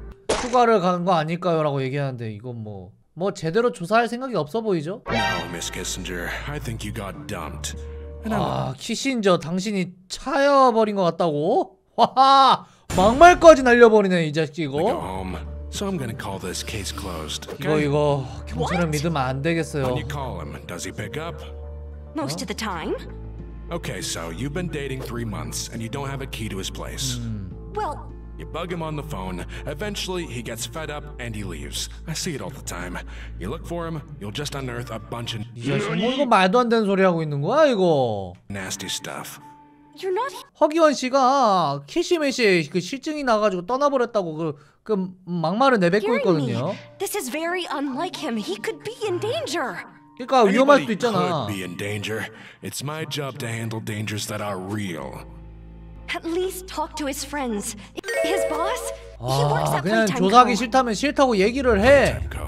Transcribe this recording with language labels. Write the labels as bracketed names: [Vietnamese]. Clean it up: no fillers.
[Korean] 휴가를 가는 거 아닐까요? 라고 얘기하는데 이건 뭐 제대로 조사할 생각이 없어 보이죠? [English] No, Miss Kissinger. I think you got dumped. [Korean] 아, 키신저 당신이 차여버린 것 같다고? 와하! 막말까지 날려버리네, 이 자식이고. [English] So I'm gonna call this case closed. [Korean] 이거 경찰을 믿으면 안 되겠어요. [English] When you call him, does he pick up? Most of the time. Okay, so you've been dating 3 months and you don't have a key to his place. Well, you bug him on the phone. Eventually, he gets fed up and he leaves. I see it all the time. You look for him, you'll just unearth a bunch of. [Korean] 뭐 이거 말도 안 되는 소리 하고 있는 거야 이거? [English] Nasty stuff. You're not. [Korean] 허기원 씨가 키시미 씨 그 실증이 나가지고 떠나버렸다고 그 막말을 내뱉고 있거든요. [English] This is very unlike him. He could be in danger. [Korean] 그러니까 위험할 수도 있잖아. [English] Could be in danger. It's my job to handle dangers that are real. At least talk to his friends. His boss? He works at Playtime. [Korean] 그냥 조사하기 싫다면 싫다고 얘기를 해.